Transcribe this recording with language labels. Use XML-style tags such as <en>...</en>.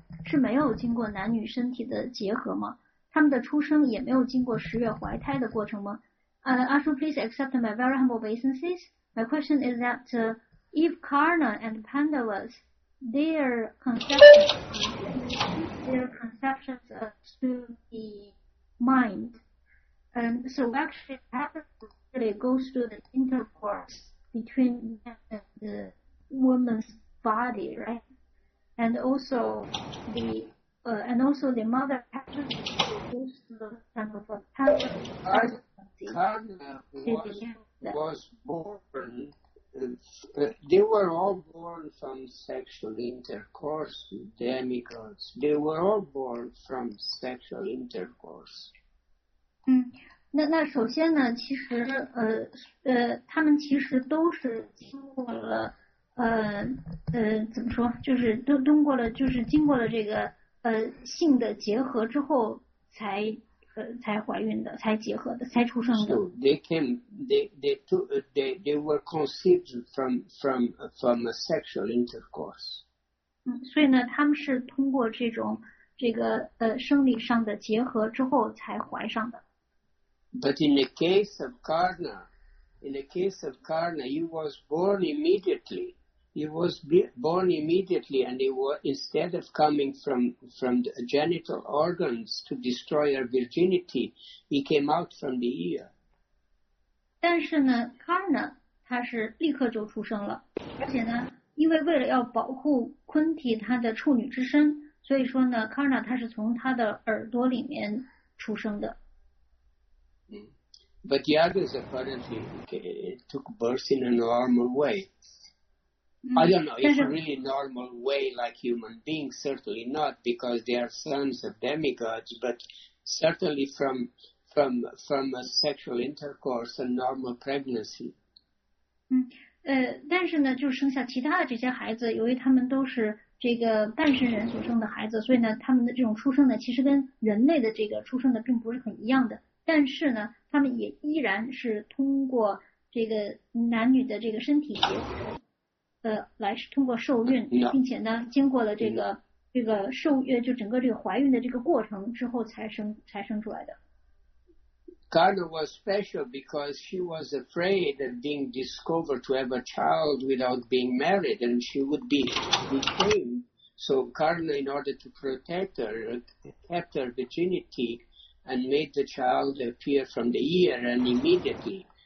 <zh>是没有经过男女身体的结合吗？他们的出生也没有经过十月怀胎的过程吗？</zh> <en>Ashu, please accept my very humble obeisances. My question is that if Karna and Pandavas, their conceptions through the mind, so actually goes through the intercourse between the woman's body, right? And also the mother has to produce the kind of a was born. They were all born from sexual intercourse, demigods. They were all born from sexual intercourse.</en> <zh>那首先呢，其实他们其实都是经过了怎么说，就是都通过了，就是经过了这个性的结合之后才。才怀孕的，才结合的，才出生的。</zh> <en>So they came, they were conceived from a sexual intercourse.</en> <zh>所以呢，他们是通过这种生理上的结合之后才怀上的。</zh> <en>But in the case of Karna, he was born immediately. He was born immediately, and he was, instead of coming from the genital organs to destroy her virginity, he came out from the ear.</en> <zh>但是呢 ，Karna 他是立刻就出生了，而且呢，因为为了要保护昆提他的处女之身，所以说呢 ，Karna 他是从他的耳朵里面出生的。</zh> <en>But the others apparently took birth in a normal way. I don't know, it's a really normal way like human beings, certainly not, because they are sons of demigods, but certainly from a sexual intercourse and normal pregnancy.</en> <zh>但是呢，就生下其他的这些孩子，由于他们都是这个半神人所生的孩子，所以呢，他们的这种出生呢，其实跟人类的这个出生的并不是很一样的。但是呢，他们也依然是通过这个男女的这个身体结合。来是通过受孕，并且呢，经过了这个受孕，就整个这个怀孕的这个过程之后，才生出来的。</zh> <en>Karna was special because she was afraid of being discovered to have a child without being married, and she would be shamed. So Karna, in order to protect her, kept her virginity and made the child appear from the ear and immediately.</en>